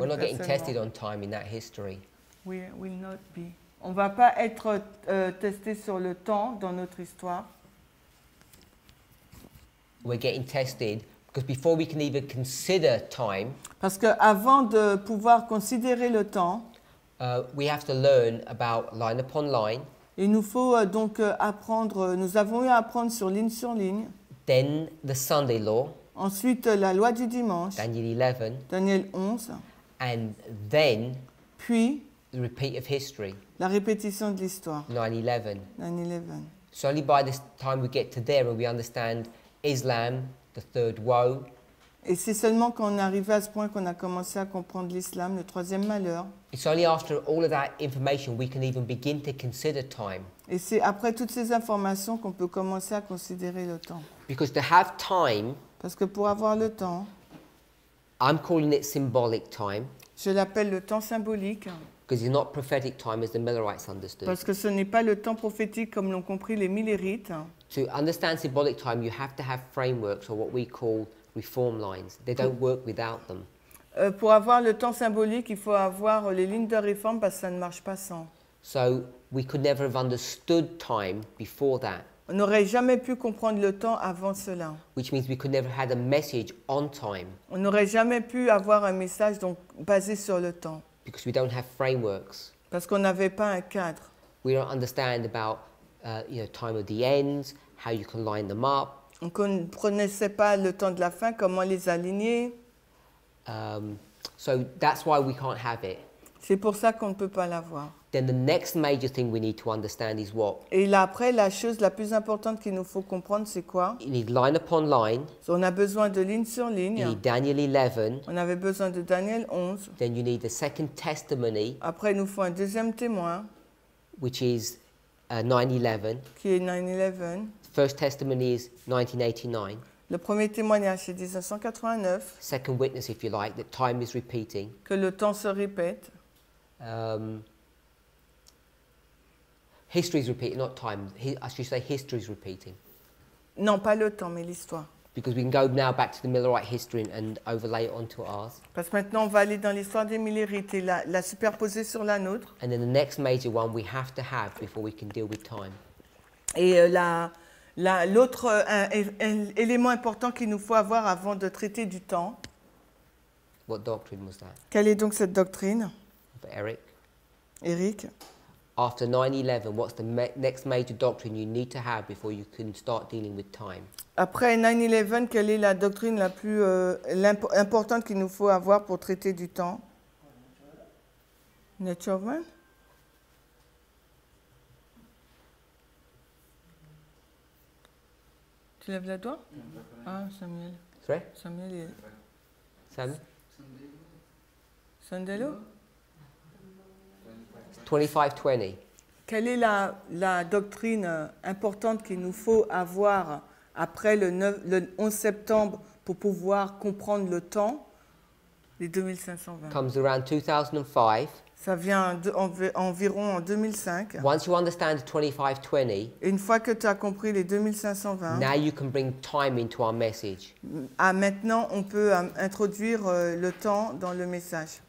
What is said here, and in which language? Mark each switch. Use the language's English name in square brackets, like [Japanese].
[English] We're not getting tested on time in that history. We will not be. [French] On va pas être testé sur le temps dans notre histoire. [English] We're getting tested because before we can even consider time. [French] Parce que avant de pouvoir considérer le temps. [English] We have to learn about line upon line. [French] Il nous faut donc apprendre. Nous avons eu à apprendre sur ligne. [English] Then the Sunday law. [French] Ensuite la loi du dimanche. [English] Daniel 11. [French] Daniel 11. [English] And then. [French] Puis. [English] The repeat of history. [French] La répétition de l'histoire. [English] 9/11. [French] 9/11. [English] So only by this time we get to there and we understand Islam, the third woe. [French] Et c'est seulement quand on est arrivé à ce point qu'on a commencé à comprendre l'islam, le troisième malheur. [English] It's only after all of that information we can even begin to consider time. [French] Et c'est après toutes ces informations qu'on peut commencer à considérer le temps. [English] Because to have time. [French] Parce que pour avoir le temps. [English] I'm calling it symbolic time. [French] Je l'appelle le temps symbolique. [English] Because it's not prophetic time as the Millerites understood. [French] Parce que ce n'est pas le temps prophétique comme l'ont compris les Millerites. [English] To understand symbolic time, you have to have frameworks or what we call reform lines. They don't work without them. [French] Pour avoir le temps symbolique, il faut avoir les lignes de réforme parce que ça ne marche pas sans. [English] So we could never have understood time before that. [French] On n'aurait jamais pu comprendre le temps avant cela. [English] Which means we could never have had a message on time. [French] On n'aurait jamais pu avoir un message donc basé sur le temps. [English] Because we don't have frameworks. [French] Parce qu'on n'avait pas un cadre. [English] We don't understand about time of the ends, how you can line them up. [French] On ne connaissait pas le temps de la fin, comment les aligner. [English] So that's why we can't have it. [French] C'est pour ça qu'on ne peut pas l'avoir. [English] then the next major thing we need to understand is what? [French] Et là, après, la chose la plus importante qu'il nous faut comprendre, c'est quoi? [English] You need line upon line. [French] So on a besoin de ligne sur ligne. [English] You need Daniel 11. [French] On avait besoin de Daniel 11. [English] Then you need a second testimony. [French] Après, il nous faut un deuxième témoin. [English] Which is 9/11. [French] Qui est 9/11. [English] The first testimony is 1989. [French] Le premier témoignage, c'est 1989. [English] Second witness, if you like, that time is repeating. [French] Que le temps se répète. [English] History is repeating, not time. History is repeating. [French] Non, pas le temps, mais l'histoire. [English] Because we can go now back to the Millerite history and overlay it onto ours. [French] Parce que maintenant, on va aller dans l'histoire des Millerites et la superposer sur la nôtre. [English] And then the next major one we have to have before we can deal with time. [French] Et l'autre élément important qu'il nous faut avoir avant de traiter du temps. [English] What doctrine was that? [French] Quelle est donc cette doctrine? [English] Of Eric. [French] Eric. [English] After 9/11, what's the next major doctrine you need to have before you can start dealing with time? [French] Après 9/11, quelle est la doctrine la plus importante qu'il nous faut avoir pour traiter du temps? [English] Nature of man? [French] Tu lèves la doigt? Ah, Samuel. C'est vrai? Samuel est... Sam? Sandelo? [English] 25-20. [French] Quelle est la doctrine importante qu'il nous faut avoir après le 11 septembre pour pouvoir comprendre le temps, les 2520? [English] Comes around 2005. [French] Ça vient environ en 2005. [English] Once you understand the 25-20, [French] une fois que tu as compris les 2520, [English] now you can bring time into our message. [French] Maintenant, on peut introduire le temps dans le message.